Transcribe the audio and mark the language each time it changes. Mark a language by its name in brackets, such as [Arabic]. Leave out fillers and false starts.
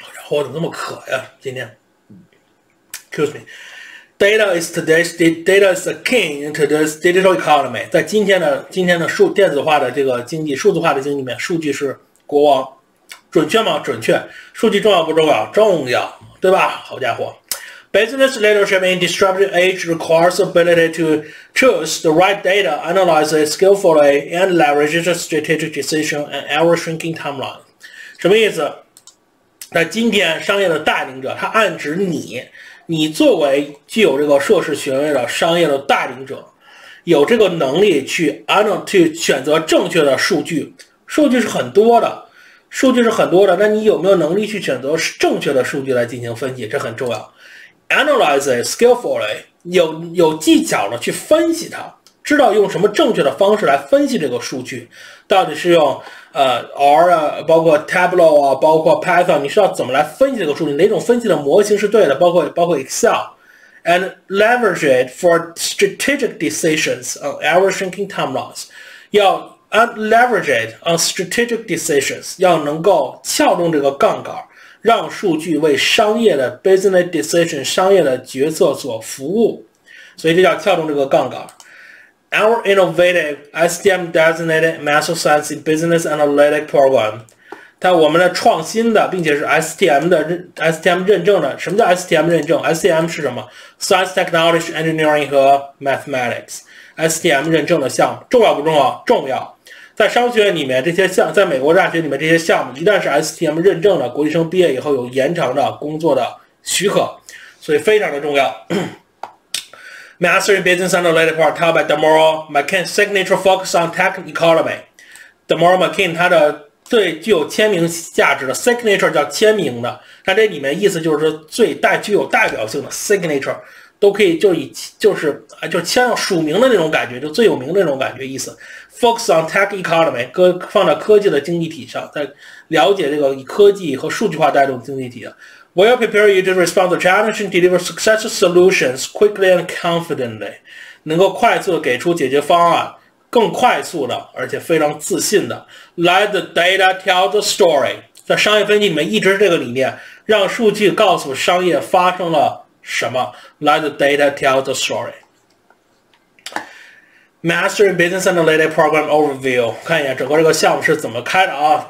[Chinese] 我怎么那么渴呀？今天 [English] ，excuse me， data is today's data is the king in today's digital economy。 [Chinese] 在今天的数电子化的这个经济、数字化的经济里面，数据是国王。准确吗？准确。数据重要不重要？重要，对吧？好家伙 [English] ，Business leadership in disruptive age requires ability to choose the right data, analyze it skillfully, and leverage strategic decision and ever shrinking timeline。 [Chinese] 什么意思？那今天商业的带领者，他暗指你作为具有这个硕士学位的商业的带领者，有这个能力去 去选择正确的数据，数据是很多的，那你有没有能力去选择正确的数据来进行分析，这很重要。 [English] Analyze it skillfully， [Chinese] 有技巧的去分析它，知道用什么正确的方式来分析这个数据，到底是用R 啊，包括 Tableau 啊，包括 Python， 你知道怎么来分析这个数据，哪种分析的模型是对的，包括 Excel， [English] and leverage it for strategic decisions on ever shrinking time loss， [Chinese] 要 [English] leverage it on strategic decisions， [Chinese] 要能够撬动这个杠杆，让数据为商业的 business decision 商业的决策所服务，所以这叫撬动这个杠杆。 [English] Our innovative STM designated Master Science in Business Analytics program， [Chinese] 它我们的创新的并且是 STM 认证的。什么叫 STM 认证？ STM 是什么？ Science, Technology, Engineering 和 Mathematics， STM 认证的项目，重要不重要？重要。在商学院里面这些项，在美国大学里面这些项目，一旦是 STM 认证的，国际生毕业以后有延长的工作的许可，所以非常的重要。 [English] Master in Business Analytics part taught by Damaro McKean, signature focus on tech economy. [Chinese] Damaro McKean, 他的最具有签名价值的 signature 叫签名的，他这里面意思就是最带具有代表性的 signature， 都可以就是签了署名的那种感觉，就最有名的那种感觉意思。 [English] Focus on tech economy， [Chinese] 放到科技的经济体上，在了解这个以科技和数据化带动经济体的。 [English] Will prepare you to respond to challenges and deliver successful solutions quickly and confidently， [Chinese] 能够快速地给出解决方案，更快速的而且非常自信的。 [English] Let the data tell the story， [Chinese] 在商业分析里面一直是这个理念，让数据告诉商业发生了什么。 [English] Let the data tell the story。 Master in Business Analytics Program Overview， [Chinese] 看一眼整个这个项目是怎么开的啊。